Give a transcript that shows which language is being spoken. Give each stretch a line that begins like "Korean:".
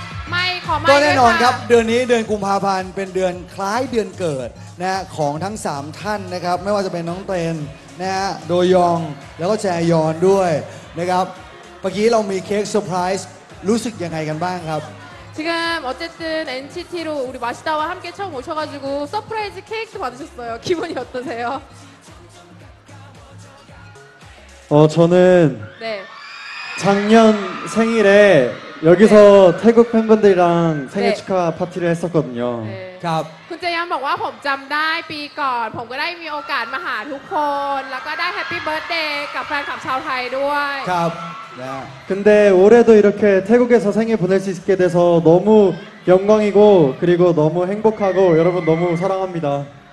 Thai: ไม่ขอไม่ ก็แน่นอนครับเดือนนี้เดือนกุมภาพันธ์เป็นเดือนคล้ายเดือนเกิดนะของทั้ง3ท่านนะครับไม่ว่าจะเป็นน้องเตนนะฮะโดยองแล้วก็แจยอนด้วยนะครับเมื่อกี้เรามีเค้กเซอร์ไพรส์รู้สึกยังไงกันบ้างครับ
Korean: 지금 어쨌든 NCT로 우리 마시다와 함께 처음 오셔가지고 서프라이즈 케이크 받으셨어요. 기분이 어떠세요? 저는 네. 작년 생일에 여기서 네. 태국 팬분들이랑 생일 네. 축하 파티를 했었거든요. 네. 그때 한번 와,
Thai: ผมจำได้ปีก่อนผมก็ได้มีโอกาสมาหาทุกคนแล้วก็ได้แฮปปี้เบิร์ธเดย์กับแฟนคลับชาวไทยด้วยครับนะ
Korean: 근데 올해도 이렇게 태국에서 생일 보낼 수 있게 돼서 너무 영광이고 그리고 너무 행복하고 여러분 너무 사랑합니다.